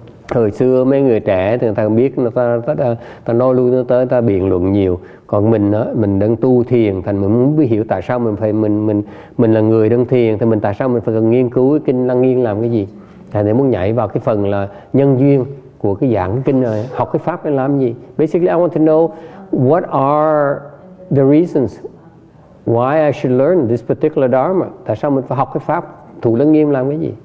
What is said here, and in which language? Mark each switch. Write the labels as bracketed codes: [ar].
[vi] Thời xưa mấy người trẻ thì người ta không biết, ta nói luôn nó tới, ta biện luận nhiều. Còn mình đang tu thiền, thành mình muốn hiểu tại sao mình là người đang thiền, thì mình tại sao mình phải cần nghiên cứu cái kinh Lăng Nghiêm làm cái gì? Thành để muốn nhảy vào cái phần là nhân duyên của cái giảng kinh rồi, học cái pháp để làm gì. [en] Basically, I want to know what are the reasons why I should learn this particular dharma. [vi] Tại sao mình phải học cái pháp Thủ Lăng Nghiêm làm cái gì?